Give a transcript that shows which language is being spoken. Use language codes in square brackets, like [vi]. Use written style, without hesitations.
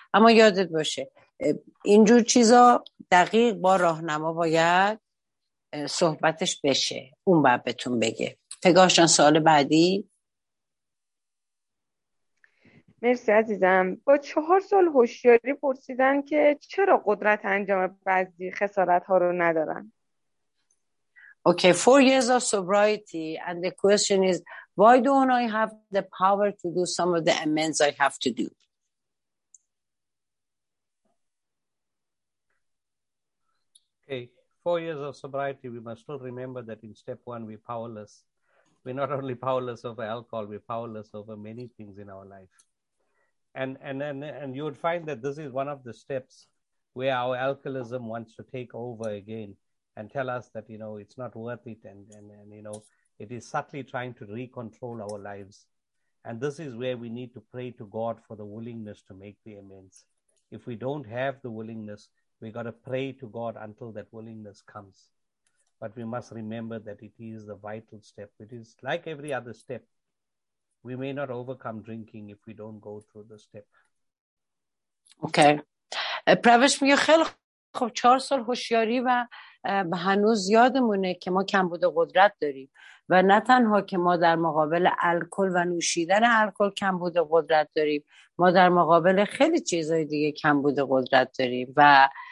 [fa] اما یادت باشه اینجور چیزا دقیق با راهنما باید صحبتش بشه، اون باید بهتون بگه. پگاهشان، سوال بعدی. مرسی عزیزم. با 4 سال هوشیاری پرسیدن که چرا قدرت انجام بعضی خسارت ها رو ندارن. [en] Okay, 4 years of sobriety and the question is why don't I have the power to do some of the amends I have to do. 4 years of sobriety, we must still remember that in step one, we're powerless. We're not only powerless over alcohol, we're powerless over many things in our life. And you would find that this is one of the steps where our alcoholism wants to take over again and tell us that, you know, it's not worth it. And you know, it is subtly trying to recontrol our lives. And this is where we need to pray to God for the willingness to make the amends. If we don't have the willingness, we got to pray to God until that willingness comes. But we must remember that it is the vital step. It is like every other step. We may not overcome drinking if we don't go through the step. Okay. [fa] پروش میگه خیلی خب 4 سال هوشیاری و هنوز یادمونه که ما کمبود قدرت داریم و نه تنها که ما در مقابل الکل و نوشیدن الکل کمبود قدرت داریم، ما در مقابل خیلی چیزهای دیگه کمبود قدرت داریم و